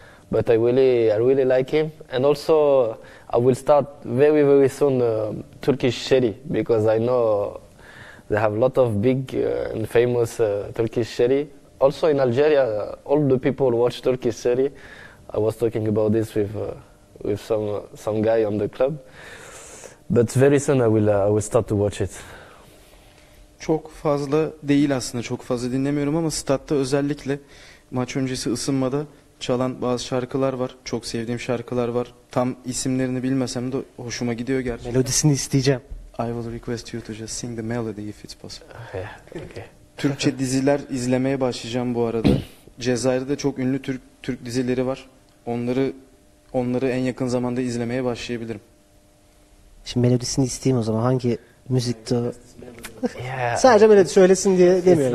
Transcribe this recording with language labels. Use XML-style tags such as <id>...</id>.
<en>But I really like him. And also, I will start very very soon Turkish Sherry, because I know they have a lot of big and famous Turkish Sherry. Also in Algeria, all the people watch Turkish Sherry. I was talking about this with some guy on the club. But very soon I will start to watch it.</en> <tr>Çok fazla değil aslında, çok fazla dinlemiyorum ama statta özellikle maç öncesi ısınmada çalan bazı şarkılar var. Çok sevdiğim şarkılar var. Tam isimlerini bilmesem de hoşuma gidiyor gerçekten. Melodisini isteyeceğim.</tr> <en>I will request you to just sing the melody if it's possible. Okay.</en> <tr>Türkçe diziler izlemeye başlayacağım bu arada. Cezayir'de çok ünlü Türk dizileri var. Onları en yakın zamanda izlemeye başlayabilirim. Şimdi melodisini isteyeyim o zaman. Hangi müzikti o? Sadece melodi söylesin diye demiyorum</tr>